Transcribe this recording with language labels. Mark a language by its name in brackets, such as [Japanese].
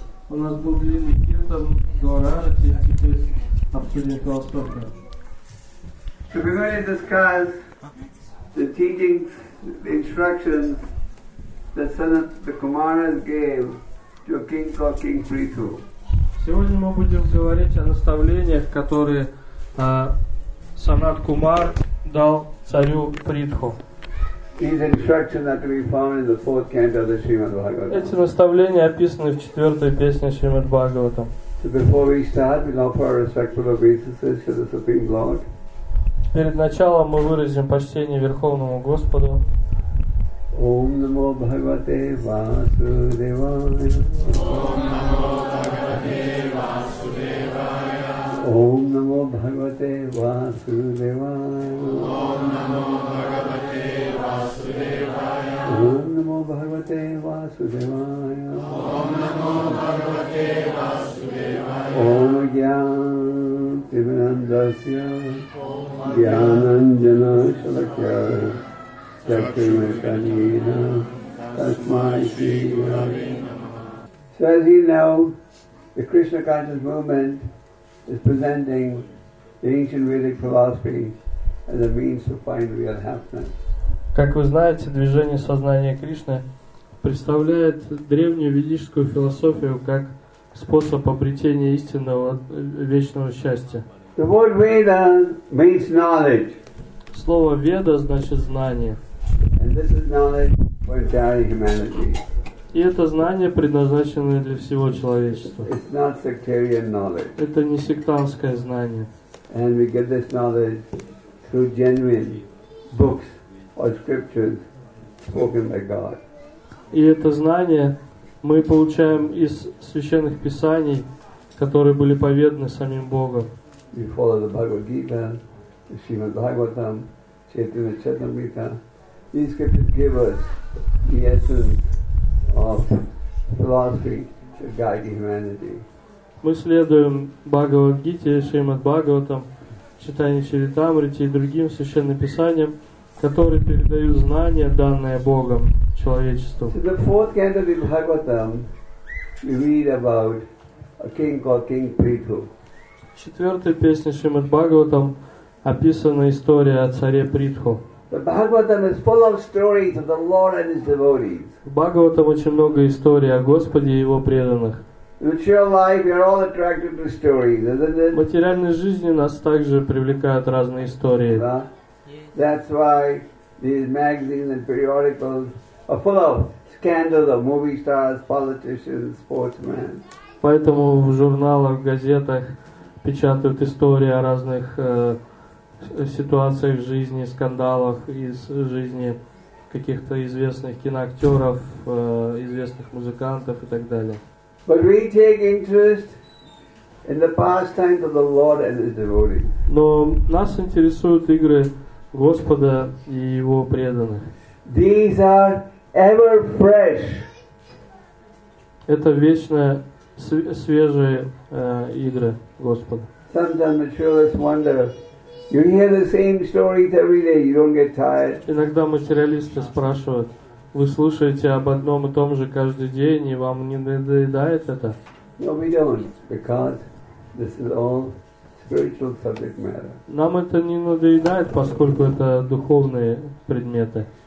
[Russian] У нас был длинный киртан гора, а теперь обсудим философию. [English] So we're going to discuss the teachings, the instructions that Sanat the Kumaras gave to King called King Prithu. [Russian] Сегодня мы будем говорить о наставлениях, которые Санат Кумар дал царю Притху. [English] These instructions are to be found in the fourth canto of the Srimad Bhagavatam. [Russian] Эти наставления описаны в четвертой песне Шримад Бхагаватам. [English] So before we start, we'll offer our respectful obeisances to the Supreme Lord. [Russian] Перед началом мы выразим почтение Верховному Господу. [Sanskrit] Ом намо Бхагавате Васудевая. Ом намо Бхагавате Васудевая. Ом намо Бхагавате Васудевая. Ом намо Бхагавате Васудевая. Ом Гьянти Винандасья. Гьянанджана Шалакья. [English] So as you know, the Krishna conscious movement is presenting the ancient Vedic philosophy as a means to find real happiness. [Russian] Как вы знаете, движение сознания Кришны представляет древнюю ведическую философию как способ обретения истинного вечного счастья. [English] The word Veda means knowledge. [Russian] Слово Веда значит знание. [English] And this is knowledge for entire humanity. [Russian] И это знание предназначено для всего человечества. [English] It's not sectarian knowledge. [Russian] Это не сектантское знание. [English] And we get this knowledge through genuine books or scriptures spoken by God. [Russian] И это знание мы получаем из священных писаний, которые были поведаны самим Богом. [English] We follow the Bhagavad Gita, the Srimad Bhagavatam, Chaitanya Charitamrita. These scriptures give us the essence of philosophy to guide humanity. [Russian] Мы следуем Бхагавад-гите, Шримад-Бхагаватам, Чайтанья Чаритамрите и другим священным писаниям, которые передают знания, данные Богом человечеству. [English] In the fourth canto of Bhagavatam, we read about a king called King Prithu. [Russian] В четвертой песне Шримад-Бхагаватам описана история о царе Притху. [English] The Bhagavatam is full of stories of the Lord and His devotees. [Russian] В Бхагаватам очень много историй о Господе и Его преданных. [English] In material life, we are all attracted to stories, isn't it? [Russian] В материальной жизни нас также привлекают разные истории. [English] That's why these magazines and periodicals are full of scandals of movie stars, politicians, sportsmen. [Russian] Поэтому в журналах, газетах печатают истории о разных ситуациях в жизни, скандалах из жизни каких-то известных киноактеров, известных музыкантов и так далее. [English] But we take interest in the pastimes of the Lord and His devotees. [Russian] Но нас интересуют игры Господа и Его преданных. [English] These are ever fresh. [Russian] Это вечно свежие игры Господа. [English] Sometimes materialists wonder. You hear the same stories every day. You don't get tired. [Russian] Иногда материалисты спрашивают: вы слушаете об одном и том же каждый день, и вам не надоедает это? [English] No, we don't, because this is all spiritual subject matter. [Russian] Нам это не надоедает, поскольку это духовные предметы.